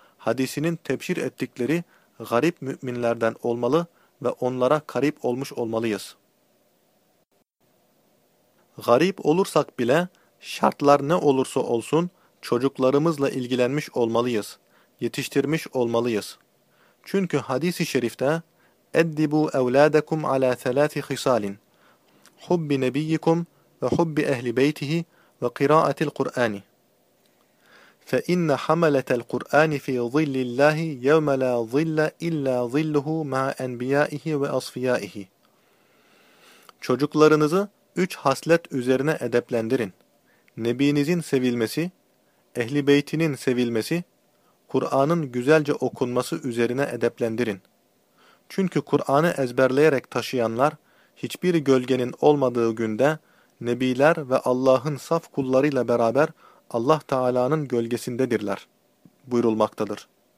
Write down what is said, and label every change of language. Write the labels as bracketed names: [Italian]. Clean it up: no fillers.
[Turkish] Hadisinin tebşir ettikleri garip müminlerden olmalı ve onlara garip olmuş olmalıyız. Garip olursak bile şartlar ne olursa olsun çocuklarımızla ilgilenmiş olmalıyız, yetiştirmiş olmalıyız. Çünkü hadis-i şerifte [Arabic] اَدِّبُوا اَوْلَادَكُمْ عَلَى ثَلَاثِ خِسَالٍ حُبِّ نَبِيِّكُمْ وَحُبِّ اَهْلِ بَيْتِهِ وَقِرَاءَةِ الْقُرْآنِ فَإِنَّ حَمَلَةَ الْقُرْآنِ فِي ظِلِّ اللّٰهِ يَوْمَ لَا ظِلَّ اِلَّا ظِلُّهُ مَا اَنْبِيَائِهِ وَاَصْفِيَائِهِ [Turkish] Çocuklarınızı üç haslet üzerine edeplendirin. Nebinizin sevilmesi, Ehl-i Beytinin sevilmesi, Kur'an'ın güzelce okunması üzerine edeplendirin. Çünkü Kur'an'ı ezberleyerek taşıyanlar, hiçbir gölgenin olmadığı günde, Nebiler ve Allah'ın saf kullarıyla beraber Allah Teala'nın gölgesindedirler, buyurulmaktadır.